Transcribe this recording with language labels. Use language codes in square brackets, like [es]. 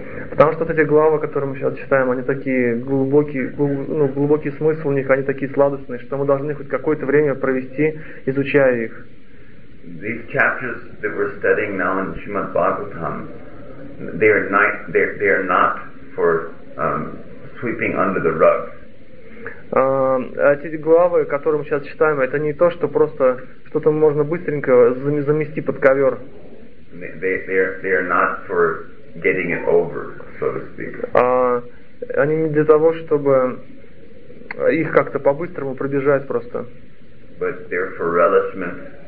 [ru] Потому что вот эти главы, которые мы сейчас читаем, они такие глубокие, глубокий смысл у них, они такие сладостные, что мы должны хоть какое-то время провести, изучая их. [en] These chapters that we're studying now in Srimad Bhagavatam, they are not for sweeping under the rug. [ru] Эти главы, которые мы сейчас читаем, это не то, что просто что-то можно быстренько замести под ковер. [en] They are not for getting it over, so to speak. [ru] Они не для того, чтобы их как-то по-быстрому пробежать просто. [en] But they're for relishment.